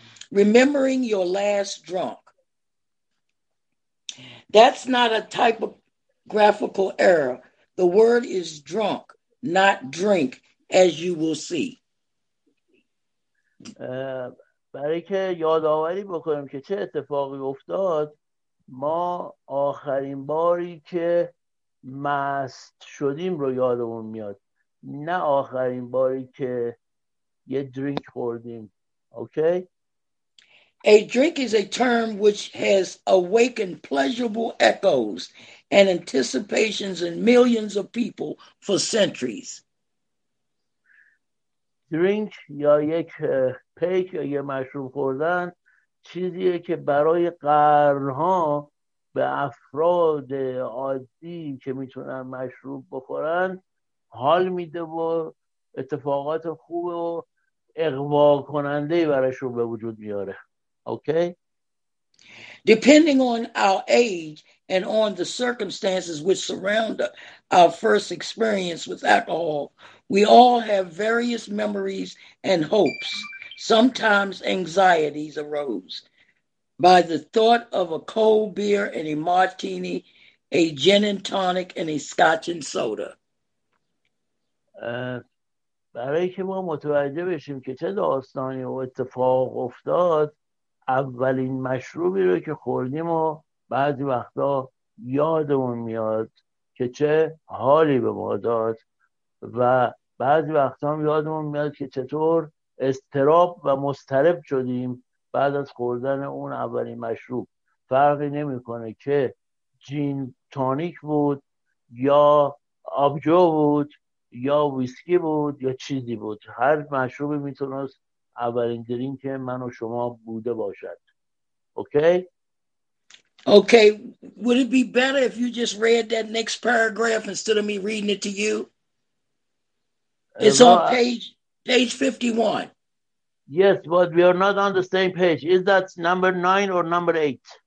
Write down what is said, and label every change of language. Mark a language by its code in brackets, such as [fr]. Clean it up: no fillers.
[en] Remembering your last drunk. That's not a typographical error. The word is drunk, not drink, as you will see. [fa] برای که یادآوری بکنیم که چه اتفاقی افتاد، ما آخرین باری که مست شدیم رو یادمون میاد، نه آخرین باری که یه درینک خوردیم. [en] Okay? A drink is a term which has awakened pleasurable echoes and anticipations in millions of people for centuries. [fa] درینک یا یک پیک یا یک مشروب خوردن چیزیه که برای قرنها به افراد عادی که میتونن مشروب بخورن حال میده و اتفاقات خوب و اغوا کننده براشون به وجود میاره. [en] Okay? Depending on our age and on the circumstances which surround our first experience with alcohol, we all have various memories and hopes. Sometimes anxieties arose by the thought of a cold beer and a martini, a gin and tonic and a scotch and soda. [fa] برای که ما متوجه بشیم که چه داستانی و اتفاق افتاد، اولین مشروبی رو که خوردیم و بعضی وقتا یادمون میاد که چه حالی به ما داد و بعضی وقتا هم یادمون میاد که چطور استراب و مضطرب شدیم بعد از خوردن اون اولین مشروب. فرقی نمی کنه که جین تانیک بود یا آبجو بود یا ویسکی بود یا چیزی بود، هر مشروبی می تونست اولین درینک من و شما بوده باشد. [en] Okay Would it be better if you just read that next paragraph instead of me reading it to you? It's on page 51. Yes, but we are not on the same page. Is that number 9 or number 8?